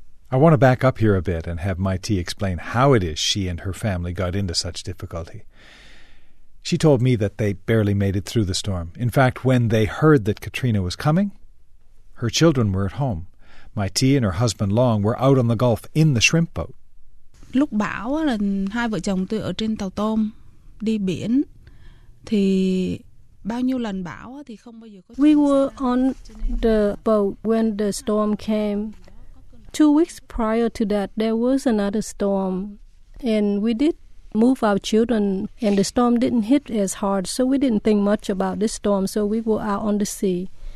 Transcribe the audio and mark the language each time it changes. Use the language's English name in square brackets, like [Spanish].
[English] I want to back up here a bit and have Mai Thi explain how it is she and her family got into such difficulty. She told me that they barely made it through the storm. In fact, when they heard that Katrina was coming, her children were at home. Mai Thi and her husband Long were out on the Gulf in the shrimp boat. [Vietnamese] Lúc bão là hai vợ chồng tôi ở trên tàu tôm đi biển thì bao nhiêu lần bão thì không bao giờ có. [English] We were on the boat when the storm came. 2 weeks prior to that, there was another storm, and we did move our children, and the storm didn't hit as hard, so we didn't think much about this storm, so we were out on the sea.